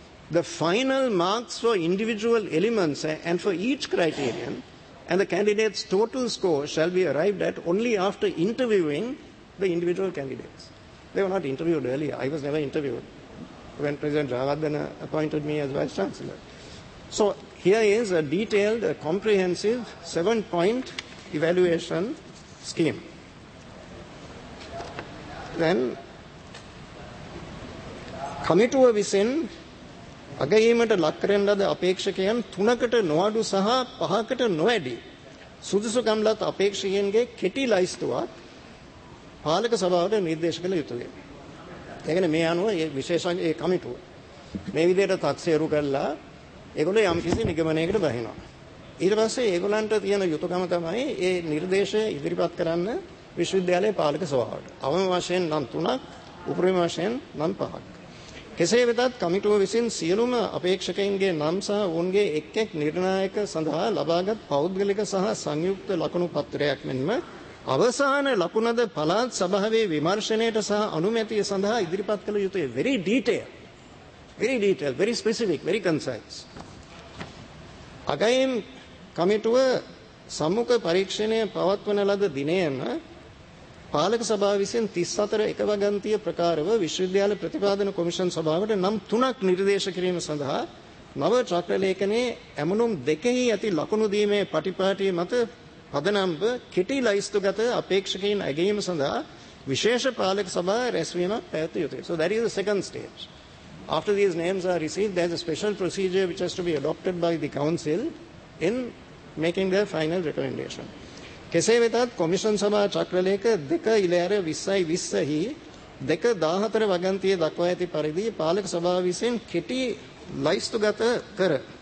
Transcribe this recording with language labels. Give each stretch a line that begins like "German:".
English: The final marks for individual elements and for each criterion and the candidate's total score shall be arrived at only after interviewing the individual candidates. They were not interviewed earlier. I was never interviewed when President Jayawardena appointed me as Vice Chancellor. So here is a detailed, a comprehensive 7-point evaluation scheme. Then, committee within
Sinhala: අගයීමට ලක් කරන ලද අපේක්ෂකයන් 3කට නොඅඩු සහ 5කට නොවැඩි සුදුසුකම් ලත් අපේක්ෂකයන්ගේ කෙටි ලයිස්තුවක් පාලක සභාවට නිර්දේශ කළ යුතුය. එගින් මේ අනුව මේ විශේෂඥ ඒ කමිටුව මේ විදිහට තක්සේරු කළා. ඒගොල්ලෝ යම් කිසි නිගමනයකට බහිනවා. ඊට පස්සේ ඒගොල්ලන්ට තියෙන යුතුයකම තමයි මේ නිර්දේශය ඉදිරිපත් කරන්න විශ්වවිද්‍යාලයේ පාලක සභාවට. අවම වශයෙන් නම් 3ක්, උපරිම වශයෙන් නම් 5ක්. කෙසේ වෙතත් කමිටුව විසින් සියලුම අපේක්ෂකයන්ගේ නම් සහ ඔවුන්ගේ එක් එක් නිර්ණායක සඳහා ලබාගත් පෞද්ගලික සහ සංයුක්ත ලකුණු පත්‍රයක් මෙන්ම අවසාන ලකුණද පළාත් සභාවේ විමර්ශනයට සහ අනුමැතිය සඳහා ඉදිරිපත් කළ යුතුය.
English: Very detailed, very detailed, very specific, very concise.
Sinhala: අගයීම් කමිටුව සම්මුඛ පරීක්ෂණය පවත්වන ලද දිනයම පාලක සභාව විසින් 34 එකවගන්තිය ප්‍රකාරව විශ්වවිද්‍යාල ප්‍රතිපාදන කොමිෂන් සභාවට නම් 3ක් නිර්දේශ කිරීම සඳහා නව චක්‍රලේඛනයේ ඇමුණුම් දෙකෙහි ඇති ලකුණු දීමේ පටිපාටි මත පදනම්ව කෙටි ලයිස්තුගත අපේක්ෂකයන් ඇගීම සඳහා විශේෂ පාලක සභාව රැස්වීමක් පැවැත්විය යුතුය.
English: So that is the second stage. After these names are received, there is a special procedure which has to be adopted by the council in making their final recommendation.
Sinhala: කෙසේ වෙතත් කොමිෂන් සභා චක්‍රලේඛ 2/20/20 2/14 වගන්තියේ දක්වා ඇති පරිදි පාලක සභාව විසින් කෙටි ලයිස්තුගත කර